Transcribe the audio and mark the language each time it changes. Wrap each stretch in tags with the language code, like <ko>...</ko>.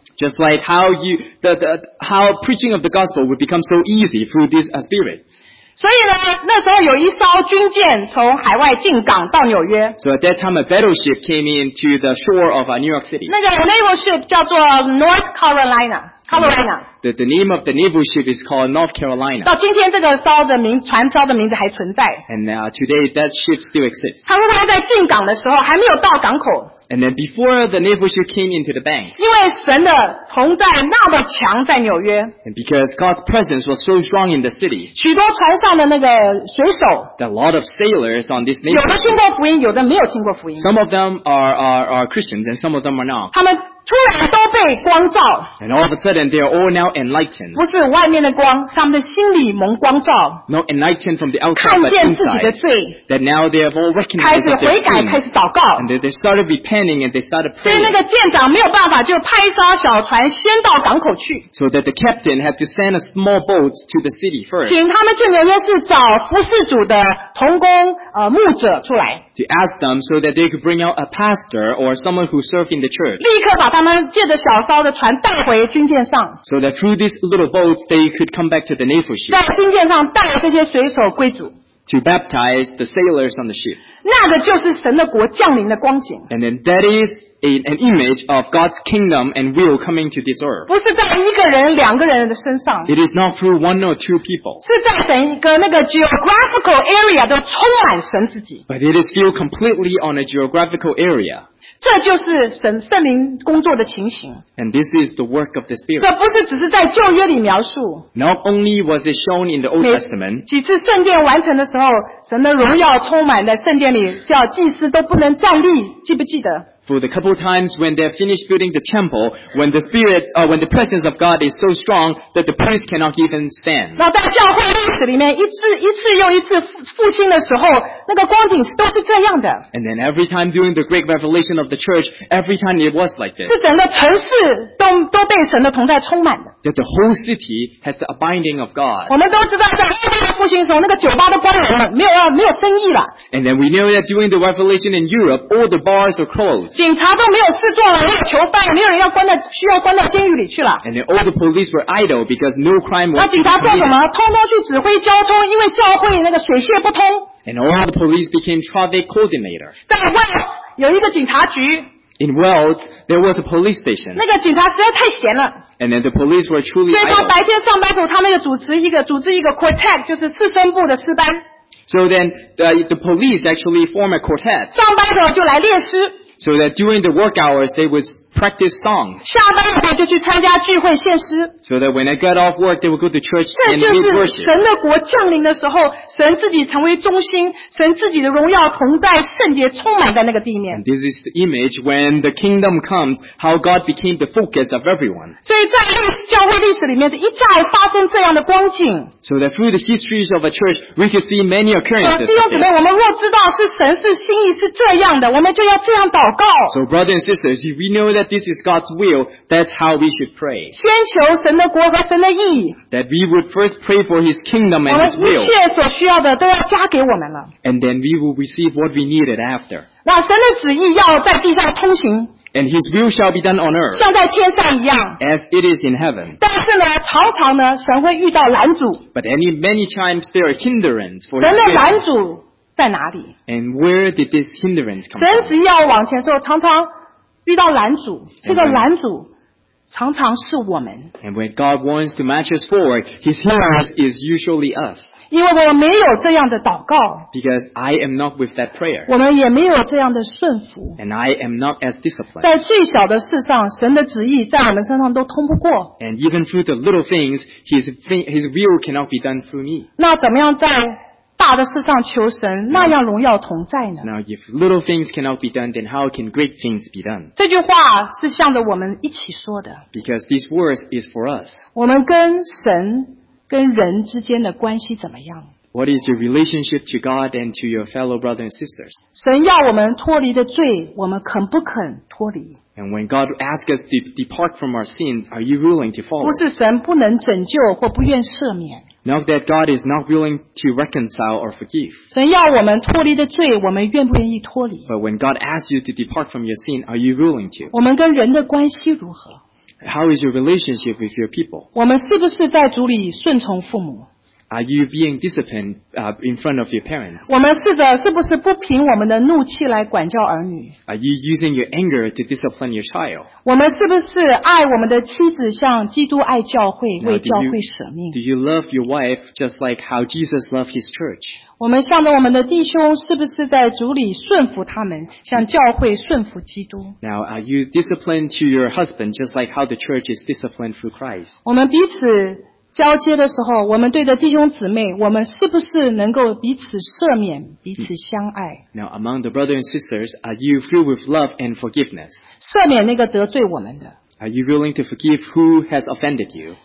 <en>just like how you how preaching of the gospel would become so easy through these spirits.</en> <zh>所以呢,那时候有一艘军舰从海外进港到纽约,</zh> <en>so at that time a battleship came into the shore of New York City.</en> <zh>那个</zh> <en>naval ship</en> <zh>叫做 North Carolina. Carolina.</zh> <en>The name of the naval ship is called North Carolina.</en> <zh>到今天这个艘的名, 船艘的名字还存在,</zh> <en>and today that ship still exists.</en> <zh>他说他在进港的时候, 还没有到港口,</zh> <en>and then before the naval ship came into the bank,</en> <zh>因为神的同在那么强在纽约,</zh> <en>and because God's presence was so strong in the city,</en> <zh>许多船上的那个水手,</zh> <en>a lot of sailors on this naval ship,</en> <zh>有的听过福音, 有的没有听过福音,</zh> <en>some of them are Christians and some of them are not.</en> <zh>突然都被光照,</zh> <en>and all of a sudden they are all now enlightened.</en> <zh>不是外面的光, 他们的心里蒙光照,</zh> <en>not enlightened from the outside,</en> <zh>看见自己的罪,</zh> <en>but inside, that now they have all recognized their sin,</en> <zh>开始悔改,</zh> <en>and they started repenting and they started praying.</en> <zh>所以那个舰长没有办法就派一艘小船先到港口去,</zh> <en>so that the captain had to send a small boat to the city first,</en> <zh>请他们去纽约市找服事主的同工, 牧者出来,</zh> <en>to ask them so that they could bring out a pastor or someone who served in the church.</en> <zh>把他们借着小艘的船带回军舰上,</zh> <en>so that through these little boats they could come back to the naval ship,</en> <zh>在军舰上带这些水手归主,</zh> <en>to baptize the sailors on the ship.</en> <zh>那个就是神的国降临的光景,</zh> <en>and then that is an image of God's kingdom and will coming to this earth.</en> <zh>不是在一个人两个人的身上,</zh> <en>it is not through one or two people,</en> <zh>是在整个那个</zh> <en>geographical area</en> <zh>都充满神自己,</zh> <en>but it is filled completely on a geographical area.</en> <zh>这就是神圣灵工作的情形。</zh> <en>And this is the work of the Spirit.</en> <zh>这不是只是在旧约里描述。</zh> <en>Not only was it shown in the Old Testament.</en> <zh>几次圣殿完成的时候，神的荣耀充满在圣殿里，叫祭司都不能站立，记不记得？</zh> <en>For the couple times when they finished building the temple, when the spirit, or when the presence of God is so strong that the priest cannot even stand.</en> <zh>那在教会历史里面，一次一次又一次复兴的时候，那个光景都是这样的。</zh> <en>And then every time during the great revelation of the church, every time it was like this.</en> <zh>是整个城市都被神的同在充满的。</zh> <en>That the whole city has the abiding of God.</en> <zh>我们都知道，在奥斯复兴的时候，那个酒吧都关门了，没有生意了。</zh> <en>And then we know that during the revelation in Europe, all the bars are closed.</en> <zh>警察都没有事做了，没有囚犯，没有人要关在需要关到监狱里去了。</zh> <en>And all the police were idle because no crime was.</en> <zh>那警察做什么？通通去指挥交通，因为教会那个水泄不通。</zh> <en>And all the police became traffic coordinator.</en> <zh>在 Wales 有一个警察局。</zh> <en>In Wales there was a police station.</en> <zh>那个警察实在太闲了。</zh> <en>And then the police were truly idle.</en> <zh>所以他白天上班时候，他们就组织一个 quartet， 就是四声部的四班。</zh> <en>So then the police actually form a quartet.</en> <zh>上班的时候就来练诗。</zh> <en>So that during the work hours, they would practice songs.</en> <zh>下班后就去参加聚会献诗。</zh> <en>So that when they got off work, they would go to church and worship.</en> <zh>这就是神的国降临的时候，神自己成为中心，神自己的荣耀同在，圣洁充满在那个地面。</zh> <en>This is the image when the kingdom comes, how God became the focus of everyone.</en> <zh>所以在历史教会历史里面，一再发生这样的光景。</zh> <en>So that through the histories of a church, we could see many occurrences.</en> <zh>弟兄姊妹，我们若知道是神是心意是这样的，我们就要这样祷。</zh> <en>So, brothers and sisters, if we know that this is God's will, that's how we should pray.</en> <zh>先求神的国和神的义。</zh> <en>That we would first pray for His kingdom and His will.</en> <zh>我们一切所需要的都要加给我们了。</zh> <en>And then we will receive what we needed after.</en> <zh>那神的旨意要在地上通行。</zh> <en>And His will shall be done on earth.</en> <zh>像在天上一样。</zh> <en>As it is in heaven.</en> <zh>但是呢，常常呢，神会遇到拦阻。</zh> <en>But many times there are hindrances for His will.</en> <zh>神的拦阻。在哪里？</zh> <en>And where did this hindrance come from?</en> <zh>神只要往前说，常常遇到拦阻，这个拦阻常常是我们。</zh> <en>And when God wants to march us forward, His hindrance is usually us.</en> <zh>因为我没有这样的祷告。</zh> <en>Because I am not with that prayer.</en> <zh>我们也没有这样的顺服。</zh> <en>And I am not as disciplined.</en> <zh>在最小的事上，神的旨意在我们身上都通不过。</zh> <en>And even through the little things, His will cannot be done through me.</en> <zh>那怎么样在大的事上求神，那样荣耀同在呢？</zh> <en>Now, if little things cannot be done, then how can great things be done?</en> <zh>这句话是向着我们一起说的。</zh> <en>Because these words is for us.</en> <zh>我们跟神、跟人之间的关系怎么样？</zh> <en>What is your relationship to God and to your fellow brothers and sisters?</en> <zh>神要我们脱离的罪，我们肯不肯脱离？</zh> <en>And when God asks us to depart from our sins, are you willing to follow?</en> <zh>不是神不能拯救或不愿赦免。</zh> <en>Now that God is not willing to reconcile or forgive.</en> <zh>神要我们脱离的罪，我们愿不愿意脱离？</zh> <en>But when God asks you to depart from your sin, are you willing to?</en> <zh>我们跟人的关系如何？</zh> <en>How is your relationship with your people?</en> <zh>我们是不是在主里顺从父母？</zh> <en>Are you being disciplined, in front of your parents?</en> <zh>我们试着是不是不凭我们的怒气来管教儿女？</zh> <en>Are you using your anger to discipline your child?</en> <zh>我们是不是爱我们的妻子像基督爱教会，为教会舍命？</zh> <en>Now, do you love your wife just like how Jesus loved his church?</en> <zh>我们向着我们的弟兄是不是在主里顺服他们，像教会顺服基督？</zh> <en>Now, are you disciplined to your husband just like how the church is disciplined through Christ?</en> <zh>我们彼此交接的时候，我们对着弟兄姊妹，我们是不是能够彼此赦免，彼此相爱？</zh> <en>Now, among the brothers and sisters, are you filled with love and forgiveness?</en> <zh>赦免那个得罪我们的。</zh> <en>Are you willing to forgive who has offended you?</en>